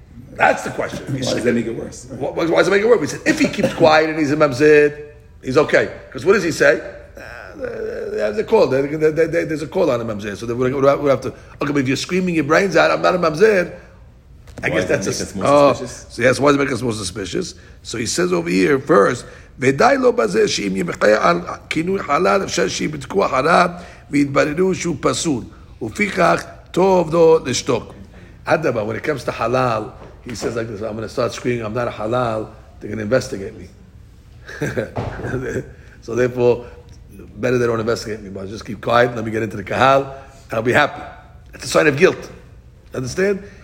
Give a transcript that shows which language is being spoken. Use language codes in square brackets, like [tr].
[en] That's the question. Why does that make it worse? Why does it make it worse? We said, if he keeps quiet and he's a mamzer, he's okay. Because what does he say? There's a call on a mamzer. So we have to, okay, but if you're screaming your brains out, I'm not a mamzer. I guess that's make us more suspicious? So yes, why does it make us more suspicious? So he says over here first, [he] ודאי לא בזה שאם ימחה על כינוי חלל אפשר שיבדקו אחריו ויתבררו שהוא פסול. ופיכך טוב לו לשתוק. [en] אדבה, when it comes to halal, he says like this, I'm going to start screaming, I'm not a halal, they're going to investigate me. So therefore, better they don't investigate me, but just keep quiet, let me get into the kahal, and I'll be happy. That's a sign of guilt. Understand?